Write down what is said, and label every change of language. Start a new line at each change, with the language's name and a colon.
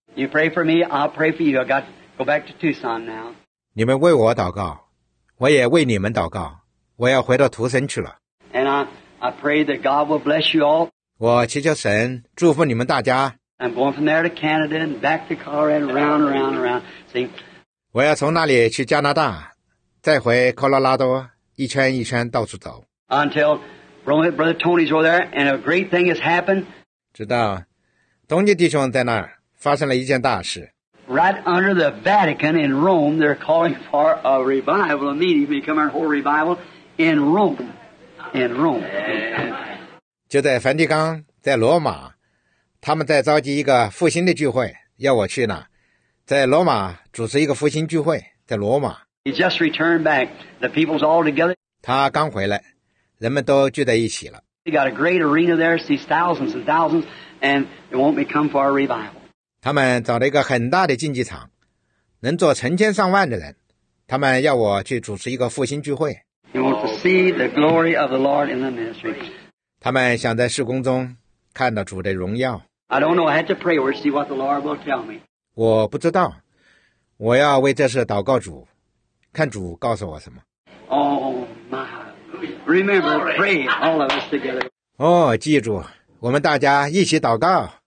English: You pray for me, I'll pray for you. I got to go back to Tucson now.
Chinese: 你们为我祷告，我也为你们祷告。我要回到图森去了。
English: And I pray that God will bless you all.
Chinese: 我祈求神祝福你们大家。
English: I'm going from there to Canada and back to Colorado, round, round, round. See,
Chinese: 我要从那里去加拿大，再回科罗拉多，一圈一圈到处走。
English: Until Brother Tony's over there, and a great thing has happened.
Chinese: 知道，东尼弟兄在那儿发生了一件大事。
English: Right under the Vatican in Rome, they're calling for a revival, a meeting, become a whole revival in Rome, in Rome.
Chinese: 就在梵蒂冈，在罗马。他们在召集一个复兴的聚会，要我去呢，在罗马主持一个复兴聚会，在罗马。
English: He just returned back. The people's all together.
Chinese: 他刚回来，人们都聚在一起了。
English: He got a great arena there, sees thousands and thousands, and it won't be come for a revival.
Chinese: 他们找了一个很大的竞技场，能坐成千上万的人。他们要我去主持一个复兴聚会。
English: He wants to see the glory of the Lord in the ministry.
Chinese: 他们想在事工中。看到主的荣耀。
English: I don't know. I had to pray or see what the Lord will tell me.
Chinese: 我不知道，我要为这事祷告主，看主告诉我什么。
English: Oh my! Remember, pray all of us together.
Chinese: 哦，记住，我们大家一起祷告。